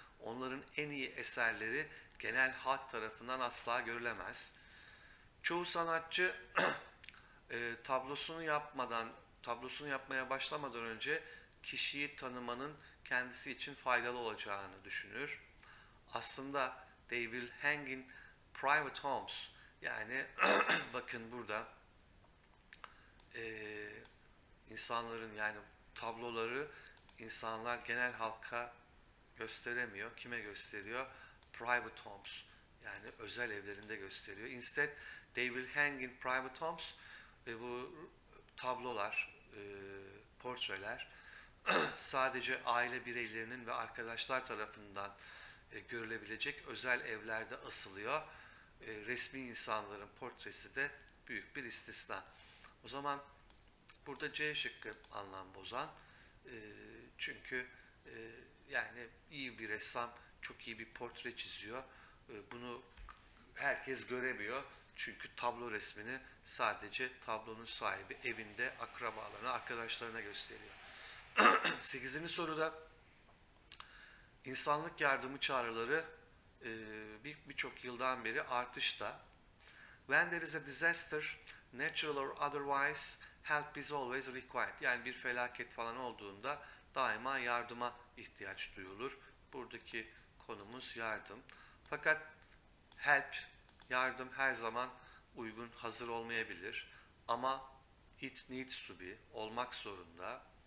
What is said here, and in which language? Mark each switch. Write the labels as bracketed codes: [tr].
[tr] Onların en iyi eserleri genel halk tarafından asla görülemez. Çoğu sanatçı tablosunu yapmaya başlamadan önce kişiyi tanımanın kendisi için faydalı olacağını düşünür. Aslında [en] they will hang in private homes. [tr] Yani bakın burada insanların yani tabloları insanlar genel halka gösteremiyor. Kime gösteriyor? [en] Private homes. [tr] Yani özel evlerinde gösteriyor. [en] Instead, they will hang in private homes. [tr] Ve bu tablolar, portreler sadece aile bireylerinin ve arkadaşlar tarafından görülebilecek özel evlerde asılıyor. Resmi insanların portresi de büyük bir istisna. O zaman burada C şıkkı anlam bozan. Çünkü yani iyi bir ressam çok iyi bir portre çiziyor. Bunu herkes göremiyor. Çünkü tablo resmini sadece tablonun sahibi evinde akrabalarına, arkadaşlarına gösteriyor. Sekizinci soruda insanlık yardımı çağrıları birçok yıldan beri artışta. [en] When there is a disaster, natural or otherwise, help is always required. [tr] Yani bir felaket falan olduğunda daima yardıma ihtiyaç duyulur. Buradaki konumuz yardım. Fakat help, yardım her zaman uygun, hazır olmayabilir. Ama [en] it needs to be, [tr] olmak zorunda.